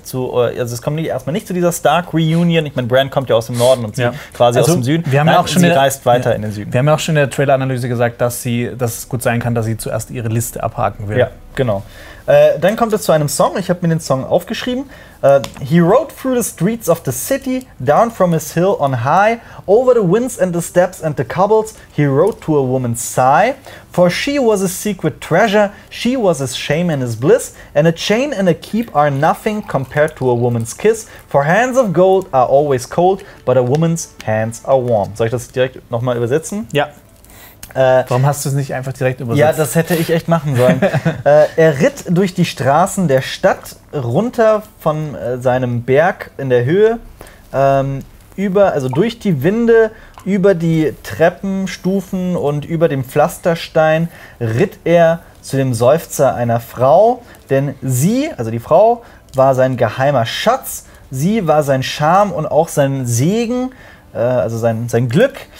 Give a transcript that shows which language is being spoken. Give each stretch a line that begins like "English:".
German: Also es kommt erstmal nicht zu dieser Stark-Reunion. Ich meine, Bran kommt ja aus dem Norden und sie quasi aus dem Süden. Wir haben sie reist weiter in den Süden. Wir haben ja auch schon in der Trailer-Analyse gesagt, dass es gut sein kann, dass sie zuerst ihre Liste abhaken will. Ja, Genau. Dann kommt es zu einem Song. Ich habe mir den Song aufgeschrieben.
English: He rode through the streets of the city, down from his hill on high, over the winds and the steps and the cobbles, he rode to a woman's sigh. For she was a secret treasure, she was his shame and his bliss, and a chain and a keep are nothing compared to a woman's kiss. For hands of gold are always cold, but a woman's hands are warm.
German: Soll ich das direkt nochmal übersetzen? Ja. Warum hast du es nicht einfach direkt übersetzt? Ja, das hätte ich echt machen sollen. Er ritt durch die Straßen der Stadt runter von seinem Berg in der Höhe, durch die Winde, über die Treppenstufen und über dem Pflasterstein ritt er zu dem Seufzer einer Frau, denn sie, also die Frau, war sein geheimer Schatz, sie war sein Charme und auch sein Segen, also sein Glück.